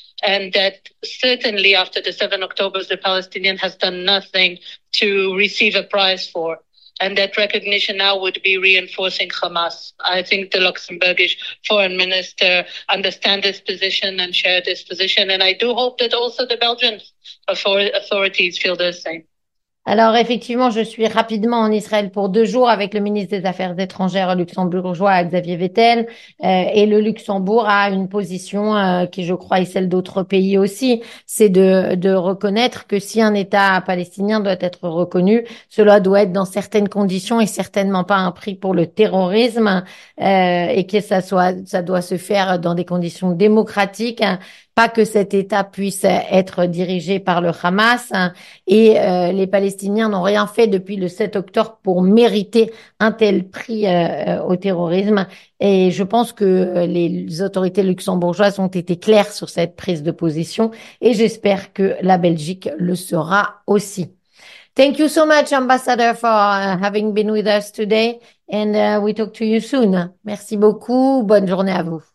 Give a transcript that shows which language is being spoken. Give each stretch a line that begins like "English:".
English: And that certainly after the 7 October, the Palestinian has done nothing to receive a prize for. And that recognition now would be reinforcing Hamas. I think the Luxembourgish foreign minister understand this position and share this position. And I do hope that also the Belgian authorities feel the same.
French: Alors effectivement, je suis rapidement en Israël pour 2 jours avec le ministre des Affaires étrangères luxembourgeois, Xavier Bettel, et le Luxembourg a une position qui, je crois, est celle d'autres pays aussi, c'est de reconnaître que si un État palestinien doit être reconnu, cela doit être dans certaines conditions et certainement pas un prix pour le terrorisme, et que ça doit se faire dans des conditions démocratiques. Pas que cet État puisse être dirigé par le Hamas, et les Palestiniens n'ont rien fait depuis le 7 octobre pour mériter un tel prix au terrorisme. Et je pense que les autorités luxembourgeoises ont été claires sur cette prise de position, et j'espère que la Belgique le sera aussi.
English: Thank you so much, Ambassador, for having been with us today, and we talk to you soon.
French: Merci beaucoup. Bonne journée à vous.